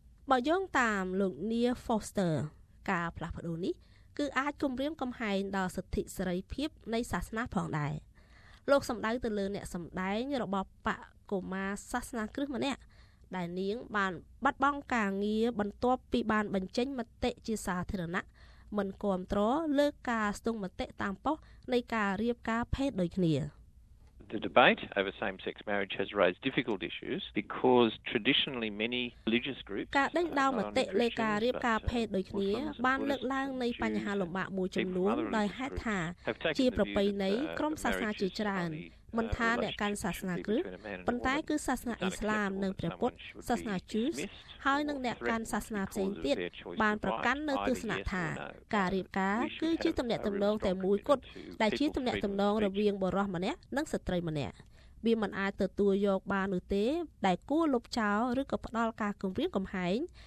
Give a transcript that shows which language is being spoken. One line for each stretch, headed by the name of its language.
Khmer: បើយោងតាមលោក Neil Foster ការផ្លាស់ប្ដូរនេះគឺអាចគំរាមកំហែងដល់សិទ្ធិសេរីភាពនៃសាសនាផងដែរលោកសម្ដៅទៅលើអ្នកសម្ដែងរបស់បកកូម៉ាសាសនាគ្រឹះម្នាក់ដែលនាងបានបាត់បង់ការងារបន្ទាប់ពីបានបញ្ចេញមតិជាសាធារណៈមិនគាំទ្រលើការស្ទង់មតិតាមប៉ុស្តិ៍នៃការរៀបការភេទដូចគ្នា
English: The debate over same-sex marriage has raised difficult issues because traditionally many religious groups
Khmer: ការដេញដោលមតិលើការរៀបការភេទដូចគ្នាបានលើកឡើងនៃបញ្ហាលំបាកមួយចំនួនដោយហេតុថាជាប្រពៃណីក្រុមសាសនាជាច្រើនមិនថាអ្នកកាន់សាសនាគ្រឹស្តប៉ុន្តែគឺសាសនាអ៊ីស្លាមនិងព្រះពុទ្ធសាសនាជូស ហើយនិងអ្នកកាន់សាសនាផ្សេងទៀតបានប្រកាន់នៅទស្សនៈថាការរៀបការគឺជាទំនាក់ទំនងតែមួយគត់ដែលជាទំនាក់ទំនងរវាងបុរសម្នាក់និងស្ត្រីម្នាក់វាមិនអាចទទួលយកបាននោះទេដែលគួរលុបចោលឬក៏ផ្ដាល់ការគំរាមកំហែង